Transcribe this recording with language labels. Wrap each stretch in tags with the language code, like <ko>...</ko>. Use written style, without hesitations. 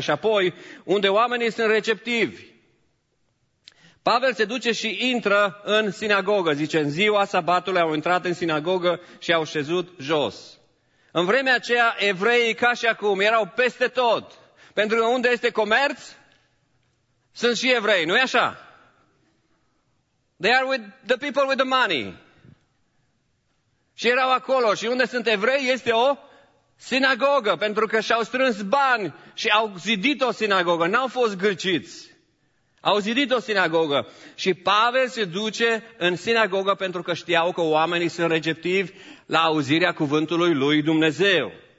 <ro>Și apoi, unde oamenii sunt receptivi. Pavel se duce și intră în sinagogă. Zice, în ziua sabatului au intrat în sinagogă și au șezut jos. În vremea aceea, evreii, ca și acum, erau peste tot. Pentru că unde este comerț, sunt și evrei, nu-i așa?</ro> <en>They are with the people with the money.</en> <ro>Și erau acolo. Și unde sunt evrei, este o sinagogă. Pentru că și-au strâns bani și au zidit o sinagogă. N-au fost gârciți. Au zidit o sinagogă și Pavel se duce în sinagogă pentru că știau că oamenii sunt receptivi la auzirea cuvântului lui Dumnezeu.</ro>